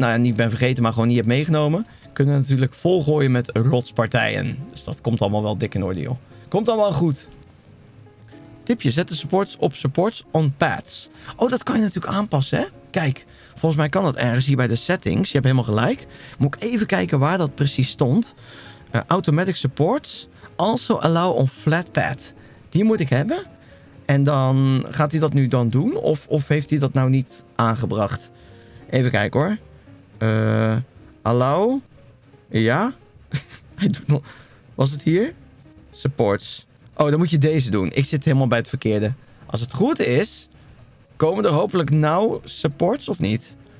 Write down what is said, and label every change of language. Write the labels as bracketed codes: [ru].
[nl] Nou ja, niet ben vergeten, maar gewoon niet heb meegenomen... kunnen natuurlijk volgooien met rotspartijen. Dus dat komt allemaal wel dik in orde, joh. Komt allemaal goed. Tipje, zet de supports op [en] supports on pads. [nl] Oh, dat kan je natuurlijk aanpassen, hè? Kijk, volgens mij kan dat ergens hier bij de settings. Je hebt helemaal gelijk. Moet ik even kijken waar dat precies stond. [en] Automatic supports also allow on flat pad. [nl] Die moet ik hebben. En dan gaat hij dat nu dan doen? Of heeft hij dat nou niet aangebracht? Even kijken hoor. Allow. Ja. Hij doet nog. Was het hier? Supports. Oh, dan moet je deze doen. Ik zit helemaal bij het verkeerde. Als het goed is... Komen er hopelijk nou supports of niet?